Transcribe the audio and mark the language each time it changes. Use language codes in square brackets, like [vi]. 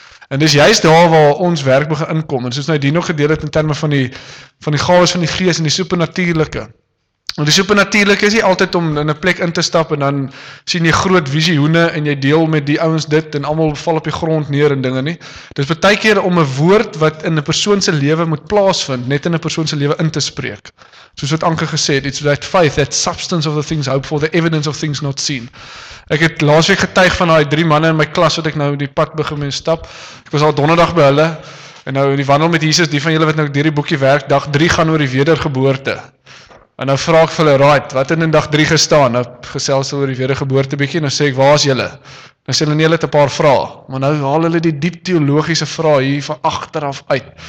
[af] En dis juist daar waar ons werk begin inkom, en soos nou die nog gedeel het in terme van die gawes van die gees en die supernatuurlike. Want die supernatuurlike is nie altyd om in 'n plek in te stap en dan sien jy groot visioene en jy deel met die ouens dit en almal val op die grond neer en dinge nie. Dis baie keer om 'n woord wat in 'n persoon se lewe moet plaasvind, net in 'n persoon se lewe in te spreek. Soos wat Anke gesê het, [en] it's that faith, that substance of the things hoped for, the evidence of things not seen. [af] Ek het laasweek getuig van daai drie manne in my klas wat ek nou die pad begin mee stap. Ek was al donderdag by hulle en nou die wandel met Jesus, die van julle wat nou deur die boekie werk, dag 3 gaan oor die wedergeboorte. En nou vraag ek vir hulle, right, wat het in dag 3 gestaan? Nou gesels hulle oor die wedergeboorte bietjie en dan sê ek, waar is julle? Dan sê hulle, nee, hulle het 'n paar vrae. Maar nou haal hulle die diep teologiese vrae hier van agteraf uit.